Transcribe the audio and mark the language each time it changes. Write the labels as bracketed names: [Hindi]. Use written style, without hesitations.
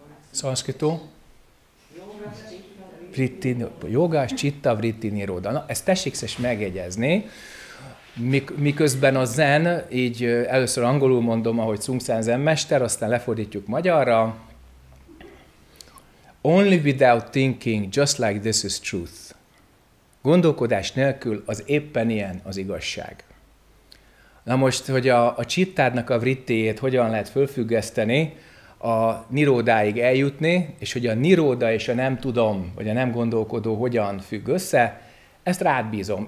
[Hungarian] Sanskritó? [Sanskrit] Joga, citta, vritti, niroda. [Hungarian] Na, ezt tessék szes megjegyezni. Miközben a zen, így először angolul mondom, ahogy Sung San Zen mester, aztán lefordítjuk magyarra. [English] Only without thinking, just like this is truth. [Hungarian] Gondolkodás nélkül az éppen ilyen az igazság. Na most, hogy a csittádnak a vrittéjét hogyan lehet fölfüggeszteni, a nirodáig eljutni, és hogy a niroda és a nem tudom, vagy a nem gondolkodó hogyan függ össze, ezt rád bízom.